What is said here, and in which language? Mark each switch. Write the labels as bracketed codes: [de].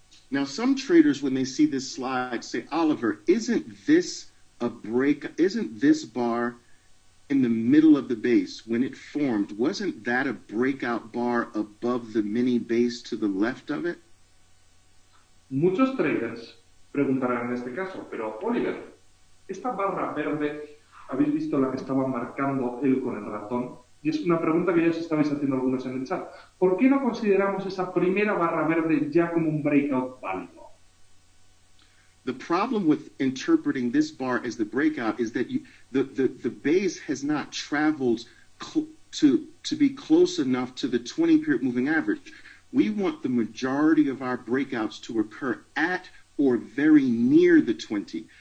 [en] Now, some traders, when they see this slide, say, Oliver, isn't this a break, isn't this bar in the middle of the base, when it formed, wasn't that a breakout bar above the mini base to the left of it? [es] Muchos traders preguntarán en este caso, pero Oliver, esta barra verde, ¿habéis visto la que estaba marcando él con el ratón? Y es una pregunta que ya os estabais haciendo algunos en el chat. ¿Por qué no consideramos esa primera barra verde ya como un breakout válido? [en] The problem with interpreting this bar as the breakout is that the base has not traveled to be close enough to the 20 period moving average. We want the majority of our breakouts to occur at or very near the 20.